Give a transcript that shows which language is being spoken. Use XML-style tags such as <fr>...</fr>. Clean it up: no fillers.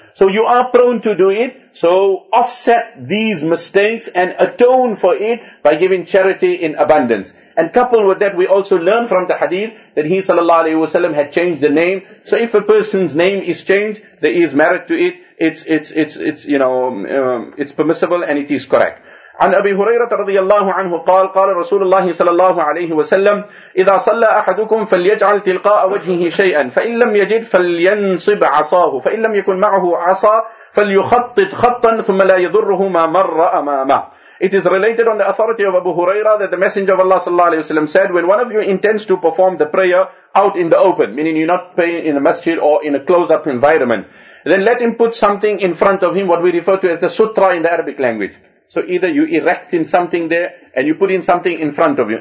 <en>So you are prone to do it, so offset these mistakes and atone for it by giving charity in abundance. And coupled with that, we also learn from the hadith that he sallallahu alayhi wa sallam had changed the name. So if a person's name is changed, there is merit to it. It's permissible and it is correct.</en> <ar>عن أبي هريرة رضي الله عنه قال قال رسول الله صلى الله عليه وسلم إذا صلى أحدكم فليجعل تلقاء وجهه شيئا فإن لم يجد فلينصب عصاه فإن لم يكن معه عصا فليخطط خطا ثم لا يضره ما مر أمامه.</ar> <en>It is related on the authority of Abu Hurairah that the Messenger of Allah sallallahu alayhi wa sallam said, when one of you intends to perform the prayer out in the open, meaning you're not praying in a masjid or in a closed up environment, then let him put something in front of him, what we refer to as the sutra in the Arabic language. So either you erect in something there and you put in something in front of you.</en>